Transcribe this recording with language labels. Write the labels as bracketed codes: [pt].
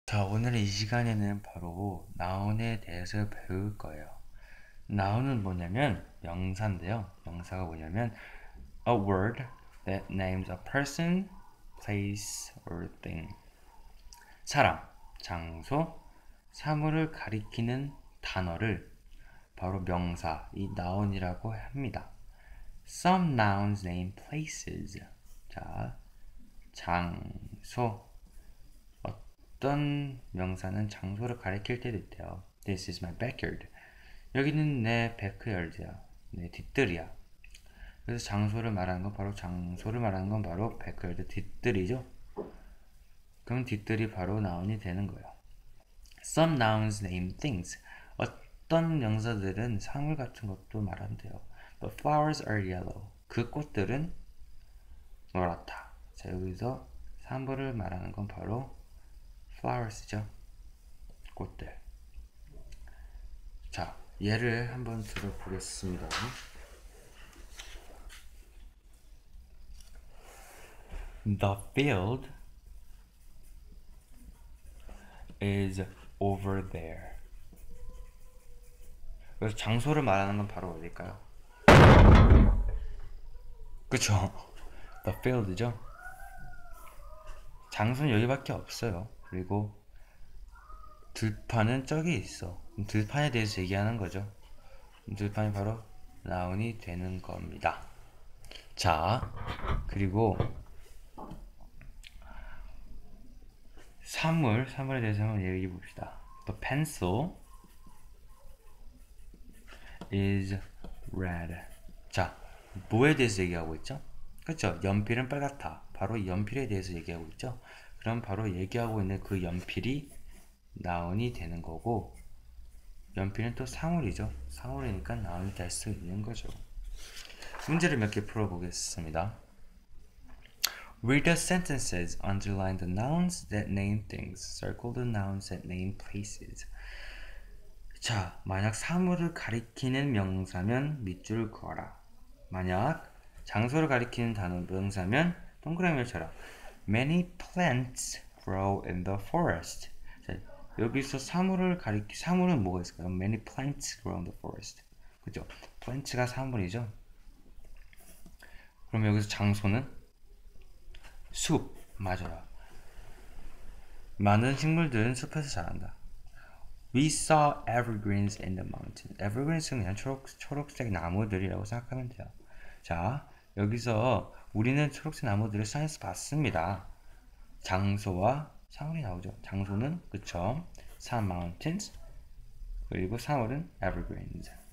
[ko] 자, 오늘 이 시간에는 바로 noun에 대해서 배울 거예요. noun은 뭐냐면 명사인데요. 명사가 뭐냐면 [en] a word that names a person, place, or thing. [ko] 사람, 장소, 사물을 가리키는 단어를 바로 명사, 이 noun이라고 합니다. [en] Some nouns name places. [ko] 자, 장소. 어떤 명사는 장소를 가리킬 때도 있대요. [en] This is my backyard. [ko] 여기는 내 backyard야. 내 뒷뜰이야. 그래서 장소를 말하는 건 바로 backyard 뒷뜰이죠. 그럼 뒷뜰이 바로 noun이 되는 거예요. [en] Some nouns name things. [ko] 어떤 명사들은 사물 같은 것도 말한대요. [en] The flowers are yellow. [ko] 그 꽃들은 노랗다. 자, 여기서 사물을 말하는 건 바로 flowers죠. 꽃들. 자, 예를 한번 들어보겠습니다. [en] 네. The field is over there. [ko] 그래서 장소를 말하는 건 바로 어딜까요? 그쵸? [en] The field이죠? [ko] 장소는 여기밖에 없어요. 그리고 들판은 저기 있어. 들판에 대해서 얘기하는 거죠. 들판이 바로 noun이 되는 겁니다. 자, 그리고 사물에 대해서 한번 얘기해 봅시다. [en] The pencil is red. [ko] 자, 뭐에 대해서 얘기하고 있죠? 그렇죠? 연필은 빨갛다. 바로 연필에 대해서 얘기하고 있죠? 그럼 바로 얘기하고 있는 그 연필이 noun이 되는 거고, 연필은 또 사물이죠. 사물이니까 noun이 될수 있는 거죠. 문제를 몇개 풀어보겠습니다. [en] Read the sentences, underline the nouns that name things, circle the nouns that name places. [ko] 자, 만약 사물을 가리키는 명사면 밑줄을 그어라. 만약 장소를 가리키는 단어 명사면 동그라미를 쳐라. [en] Many plants grow in the forest. [ko] 여기서 사물은 뭐가 있을까요? [en] Many plants grow in the forest. [ko] 그죠? Plants가 사물이죠? 그럼 여기서 장소는? 숲. 맞아요. 많은 식물들은 숲에서 자란다. [en] We saw evergreens in the mountain. [ko] Evergreens는 그냥 초록색 나무들이라고 생각하면 돼요. 자, 여기서 우리는 초록색 나무들을 산에서 봤습니다. 장소와 사물이 나오죠. 장소는? 그쵸? [en] Some mountains, [ko] 그리고 사물은 [en] evergreens.